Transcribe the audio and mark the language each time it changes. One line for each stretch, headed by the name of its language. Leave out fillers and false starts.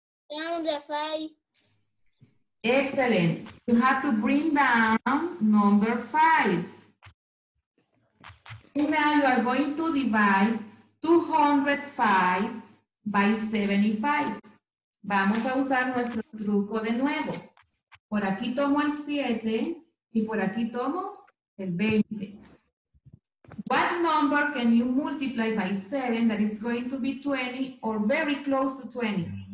English: Down the 5. Excellent. You have to bring down number 5. And now you are going to divide 205 by 75.
Spanish: Vamos a usar nuestro truco de nuevo. Por aquí tomo el 7 y por aquí tomo el 20.
English: What number can you multiply by 7 that is going to be 20 or very close to 20?